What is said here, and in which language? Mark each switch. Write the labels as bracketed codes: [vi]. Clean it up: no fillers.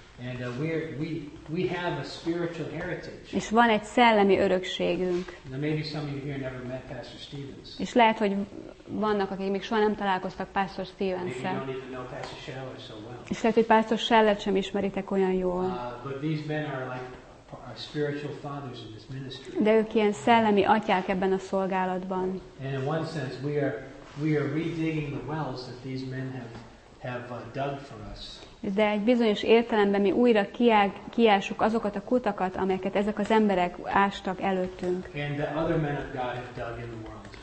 [en] And we have a spiritual heritage. [hu] És van egy szellemi örökségünk. [en] Now maybe some of you here never met Pastor Stevens. [hu] És lehet, hogy vannak, akik még soha nem találkoztak Pastor Stevens-szel. [en] Maybe you don't even know Pastor Scheller so well. [hu] És lehet, hogy Pastor Scheller-t sem ismeritek olyan jól. [en] But these men are like our spiritual fathers in this ministry. [hu] De ők ilyen szellemi atyák ebben a szolgálatban. [en] And in one sense we are redigging the wells that these men have dug for us. [hu] De egy bizonyos értelemben mi újra kiássuk azokat a kutakat, amelyeket ezek az emberek ástak előttünk. [en] And the other men of God have dug in the world.